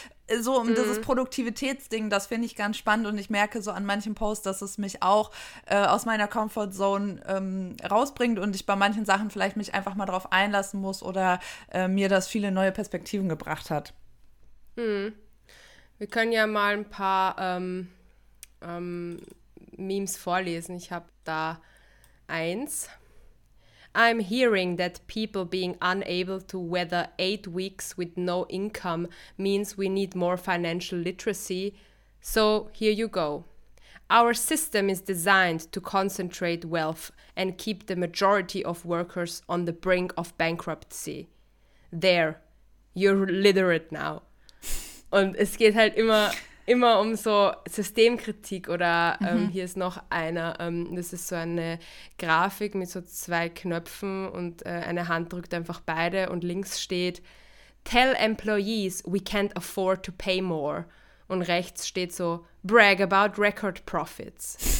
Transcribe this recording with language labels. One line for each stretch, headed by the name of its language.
German: Also so um dieses Produktivitätsding, das finde ich ganz spannend und ich merke so an manchen Posts, dass es mich auch aus meiner Comfortzone rausbringt und ich bei manchen Sachen vielleicht mich einfach mal drauf einlassen muss oder mir das viele neue Perspektiven gebracht hat. Wir können ja mal ein paar Memes vorlesen. Ich habe da eins.
English: I'm hearing that people being unable to weather 8 weeks with no income means we need more financial literacy. So here you go. Our system is designed to concentrate wealth and keep the majority of workers on the brink of bankruptcy. There, you're literate now.
German: Und es geht halt immer um so Systemkritik oder hier ist noch einer, das ist so eine Grafik mit so zwei Knöpfen und eine Hand drückt einfach beide und links steht
English: Tell employees we can't afford to pay more
German: und rechts steht so
English: Brag about record profits.